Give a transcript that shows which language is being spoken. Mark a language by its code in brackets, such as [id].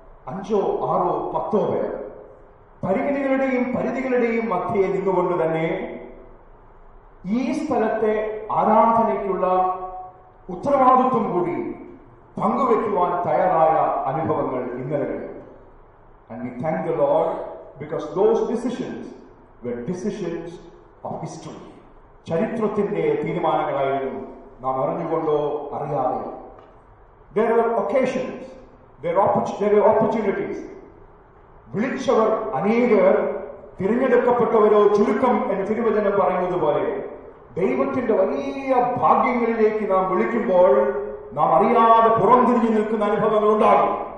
[ml] അഞ്ചോ ആറോ പത്തോ പേർ പരിമിതികളുടെയും പരിധികളുടെയും മധ്യയെ നിന്നുകൊണ്ട് തന്നെ ഈ സ്ഥലത്തെ ആരാധനയ്ക്കുള്ള ഉത്തരവാദിത്വം കൂടി പങ്കുവെക്കുവാൻ തയ്യാറായ അനുഭവങ്ങൾ ഇന്നലെ. [en] And we thank the Lord because those decisions were decisions of history. [ml] ചരിത്രത്തിന്റെ തീരുമാനങ്ങളായിരുന്നു, നാം അറിഞ്ഞുകൊണ്ടോ അറിയാതെ. [en] There were occasions, there were opportunities. [ml] വിളിച്ചവർ അനേകർ, തിരഞ്ഞെടുക്കപ്പെട്ടവരോ ചുരുക്കം എന്ന് തിരുവചനം പറയുന്നത് പോലെ ദൈവത്തിന്റെ വലിയ ഭാഗ്യങ്ങളിലേക്ക് നാം വിളിക്കുമ്പോൾ നാം അറിയാതെ പുറംതിരിഞ്ഞു നിൽക്കുന്ന അനുഭവങ്ങൾ ഉണ്ടാകും.